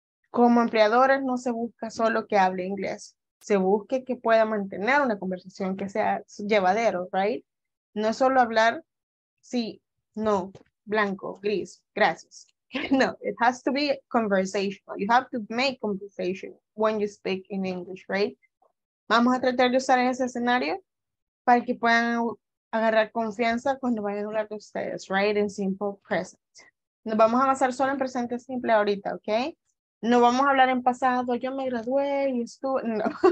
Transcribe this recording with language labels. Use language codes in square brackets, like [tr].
[es] Como empleadores, no se busca solo que hable inglés. Se busque que pueda mantener una conversación que sea llevadero, right? No es solo hablar sí, no, blanco, gris, gracias. [en] No, it has to be conversational. You have to make conversation when you speak in English, right? [es] Vamos a tratar de usar ese escenario para que puedan agarrar confianza cuando vayan a hablar con ustedes, right? [en] In simple present. [es] Nos vamos a basar solo en presente simple ahorita, okay? No vamos a hablar en pasado, yo me gradué y estuve, no.